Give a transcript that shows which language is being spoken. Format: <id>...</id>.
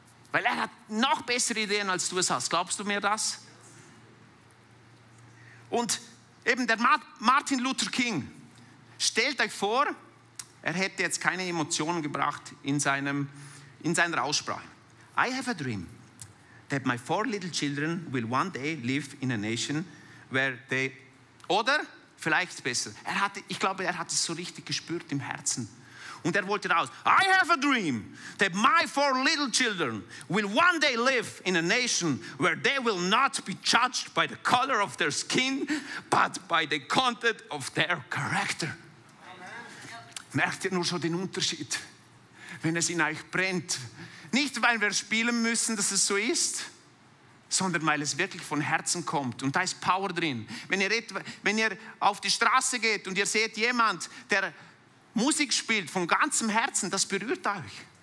<de>Weil er hat noch bessere Ideen, als du es hast. Glaubst du mir das? Und eben der Martin Luther King. Stellt euch vor, er hätte jetzt keine Emotionen gebracht in seiner Aussprache.</de> <en>I have a dream that my four little children will one day live in a nation where they...</en> <de>Oder vielleicht besser. Ich glaube, er hat es so richtig gespürt im Herzen. Und er wollte raus.</de> <en>I have a dream that my four little children will one day live in a nation where they will not be judged by the color of their skin, but by the content of their character.</en> <de>Amen. Merkt ihr nur schon den Unterschied, wenn es in euch brennt. Nicht, weil wir spielen müssen, dass es so ist, sondern weil es wirklich von Herzen kommt. Und da ist Power drin. Wenn ihr auf die Straße geht und ihr seht jemand, der Musik spielt von ganzem Herzen, das berührt euch.</de>